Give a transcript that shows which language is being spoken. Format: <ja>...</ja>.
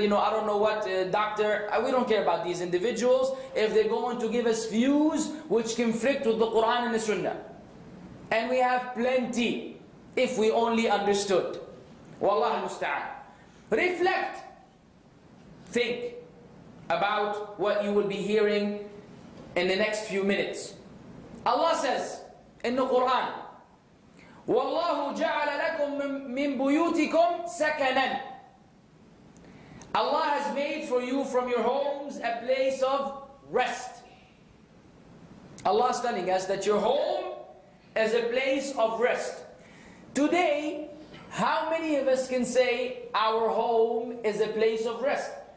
<en>you know, I don't know what, doctor. We don't care about these individuals if they're going to give us views which conflict with the Quran and the Sunnah. And we have plenty if we only understood.</en> <ar>Wallahu musta'an.</ar> <en>Reflect, think about what you will be hearing in the next few minutes. Allah says in the Quran,</en> <ar>وَاللَّهُ جَعَلَ لَكُم مِّن بُيُوتِكُمْ سَكَنًا.</ar> <en>Allah has made for you from your homes a place of rest. Allah is telling us that your home is a place of rest. Today, how many of us can say our home is a place of rest?</en>